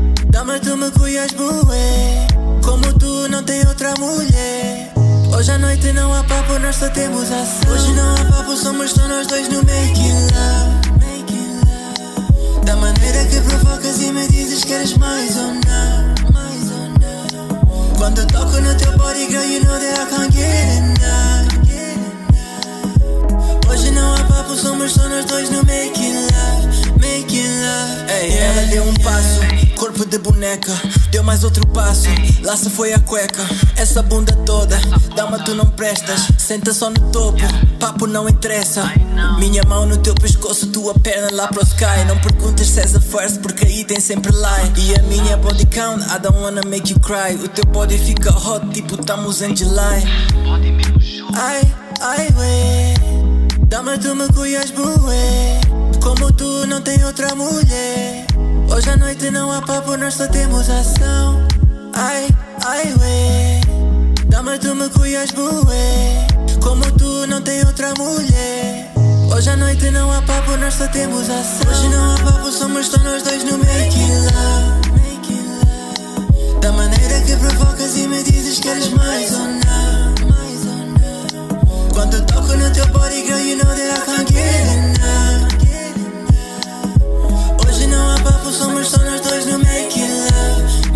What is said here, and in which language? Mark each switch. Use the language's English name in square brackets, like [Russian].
[Portuguese] Dá-me tu me cuias, bué. Como tu não tem outra mulher. Hoje à noite não há papo, nós só temos ação. Hoje não há papo, somos só nós dois no [English] making love. [Portuguese] Da maneira que provocas e me dizes que queres mais ou não. Quando eu toco no teu [English] body, girl, you know that I can't get enough. [Portuguese] Hoje não há papo, somos só nós dois no [English] making love. Making love. [Portuguese] Ei, ela deu um passo. Corpo de boneca, deu mais outro passo. Lá se foi a cueca. Essa bunda toda, dama tu não prestas. Senta só no topo, papo não interessa. Minha mão no teu pescoço, tua perna lá pro sky. Não perguntas se és a first, porque aí tem sempre line. E a minha [English] body count, I don't wanna make you cry. [Portuguese] O teu body fica hot, tipo estamos em July. Ai, ai, ué. Dama tu me cuias, bué. Como tu não tem outra mulher. Hoje à noite não há papo, nós só temos ação. Ai, ai, ué. Dá-me tu lembro que ias voer. Como tu não tem outra mulher. Hoje à noite não há papo, nós só temos ação. Hoje não há papo, somos só nós dois no [English] make it love. [Portuguese] Da maneira que provocas e me dizes queres mais ou não. Quando toco no teu [English] body, girl, you know that I can't get enough. [Portuguese] Hoje não há papo, somos só nós dois no [English] make it love.